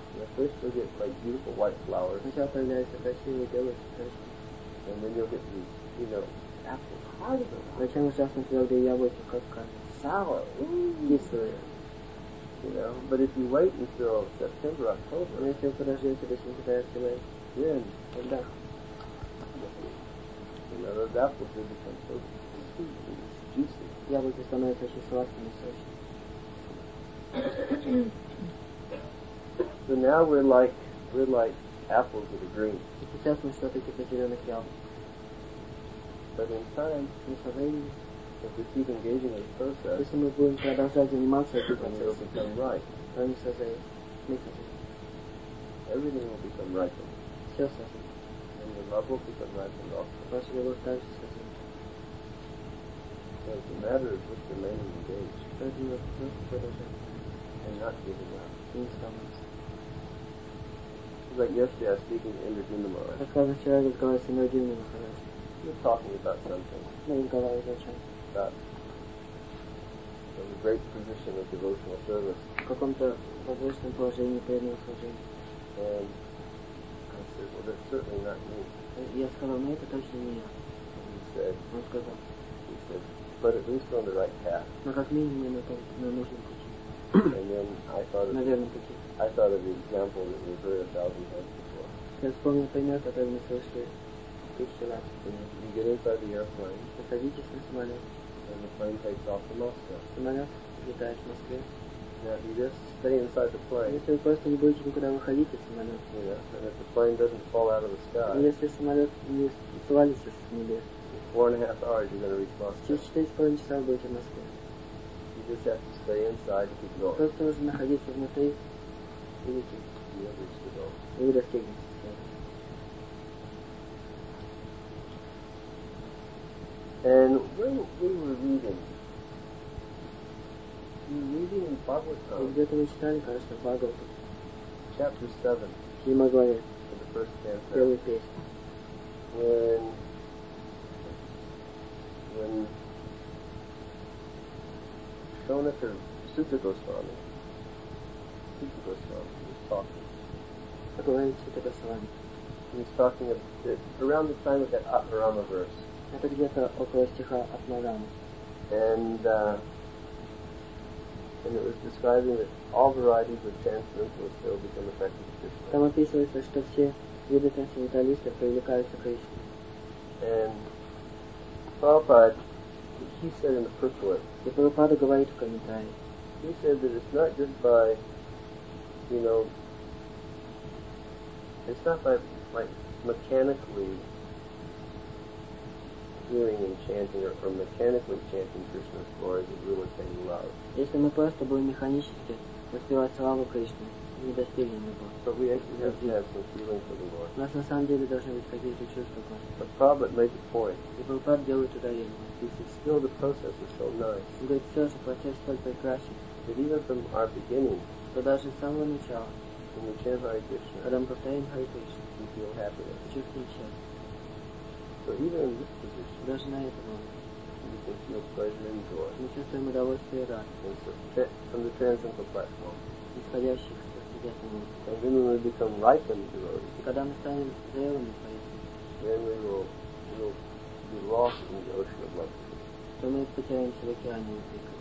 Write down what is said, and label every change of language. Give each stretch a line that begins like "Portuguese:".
English: And at first you'll get like beautiful white flowers.
Russian: Сначала появляются красивые белые цветочки.
English: And then you'll get these, you know, apples hard as a rock.
Russian: Зачем ужасно твердые яблоки как камень?
English: Sour.
Russian: Кислые.
English: You know, but if you wait until September, October,
Russian: если вы подождете до сентября, октября,
English: then,
Russian: тогда,
English: you know, those apples will become so juicy.
Russian: Яблоки становятся очень сладкими и сочными.
English: So now we're like apples that are green.
Russian: И сейчас мы что-то типа зеленых яблок.
English: But in time,
Russian: мы со временем.
English: If we keep engaging in the process,
Russian: если мы будем продолжать заниматься этим процессом, то они созреют.
English: Everything will become ripened.
Russian: Все созреет.
English: And the love will become ripened also.
Russian: Ваша любовь также созреет.
English: So it's a matter of just remaining engaged.
Russian: Каждый раз просто продолжать.
English: And not giving up.
Russian: И не сломаться.
English: It's like yesterday I was speaking to Indra Dindamo.
Russian: Как сказал вчера, я разговаривал с Индра Диндамо.
English: We were talking about something.
Russian: Мы разговаривали о чем.
English: That in a great position of devotional service.
Russian: В каком-то возвышенном положении преданного служения.
English: And I said, well, that's certainly not me.
Russian: Я сказал, ну это точно не я.
English: And he said.
Russian: Он сказал.
English: He said, but at least on the right path.
Russian: Но как минимум на том, на нужном пути.
English: And then I thought of.
Russian: Наверное, пути.
English: I thought of the example that we've heard a thousand times before.
Russian: Я вспомнил пример, который мы слышали.
English: You get inside the airplane.
Russian: Садитесь на самолет.
English: And the plane takes off to Moscow.
Russian: Самолет летает в Москве.
English: Yeah, you just stay inside the plane.
Russian: Если вы просто не будете никуда выходить из самолета.
English: Yeah, and if the plane doesn't fall out of the sky.
Russian: Если самолет не свалится с небес.
English: 4.5 hours, you're going to reach Moscow.
Russian: Через 4.5 часа вы будете в Москве.
English: You just have to stay inside to keep going.
Russian: Просто нужно находиться внутри и выйти.
English: You'll reach the goal.
Russian: И вы достигнете.
English: And when we were reading, we were reading in Bhagavatam.
Russian: Где-то мы читали, конечно, Бхагавату.
English: Chapter 7.
Russian: Шримад-Бхагаватам.
English: For the first canto.
Russian: Первый песня.
English: When Shonaka Sutta Goswami. Sutta Goswami was talking. Bhagavan Sutta Goswami. He was talking around the time of that Atmarama verse.
Russian: Это где-то около стиха Атмарамы.
English: And it was describing that all varieties of transcendental still become effective to Krishna.
Russian: Там описывается, что все виды трансценденталистов привлекаются к Кришне.
English: And Prabhupada, he said in the purport.
Russian: И Прабхупада говорит в комментарии.
English: He said that it's not just by, you know, it's not by like mechanically hearing and chanting or mechanically chanting Krishna's glories and really attaining love.
Russian: Если мы просто будем механически воспевать славу Кришны, не достигнем его.
English: So we actually have to have some feeling for the Lord.
Russian: У нас на самом деле должны быть какие-то чувства.
English: But Prabhupada made the point.
Russian: И Прабхупада делает ударение.
English: He says, still the process is so nice.
Russian: Он говорит, все же процесс столь прекрасен.
English: That even from our beginning,
Russian: что даже с самого начала,
English: when we chant Hare Krishna,
Russian: когда мы повторяем Hare Krishna,
English: we feel happiness.
Russian: Чувствуем счастье.
English: So even in this position,
Russian: даже на этом уровне, мы чувствуем удовольствие и радость,
English: from the transcendental platform,
Russian: исходящих с трансцендентного уровня.
English: And then when we become ripened devotees,
Russian: и когда мы станем зрелыми поистине,
English: then we will be lost in the ocean of love.
Russian: То мы потеряемся в океане любви.